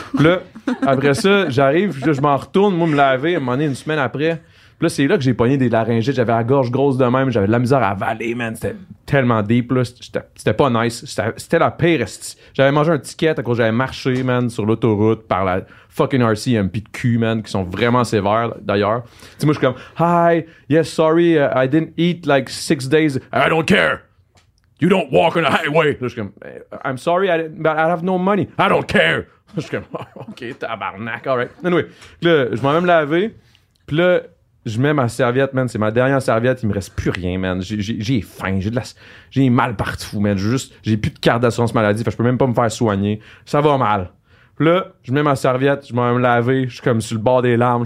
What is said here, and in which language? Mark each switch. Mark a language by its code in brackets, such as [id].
[fr] Puis là, après ça, j'arrive, je m'en retourne, moi, me laver, un moment donné, une semaine après. Puis là, c'est là que j'ai pogné des laryngites. J'avais la gorge grosse de même, j'avais de la misère à avaler, man. C'était tellement deep, là. C'était pas nice. C'était la pire. J'avais mangé un ticket à cause que j'avais marché, man, sur l'autoroute par la fucking RCMP de cul, man, qui sont vraiment sévères, d'ailleurs. Tu sais, moi, je suis comme, [en] hi, yes, sorry, I didn't eat like 6 days. I don't care. You don't walk on the highway. [fr] Là, je suis comme, [en] I'm sorry, but I have no money. I don't care. [fr] Là, je suis comme, [en] OK, [fr] tabarnak, [en] all right. [fr] Anyway, là, je m'en vais me laver. Puis là, je mets ma serviette, man. C'est ma dernière serviette. Il me reste plus rien, man. J'ai faim. J'ai mal partout, man. J'ai plus de carte d'assurance maladie. Fait que je peux même pas me faire soigner. Ça va mal. Puis là, je mets ma serviette. Je m'en vais me laver. Je suis comme sur le bord des larmes.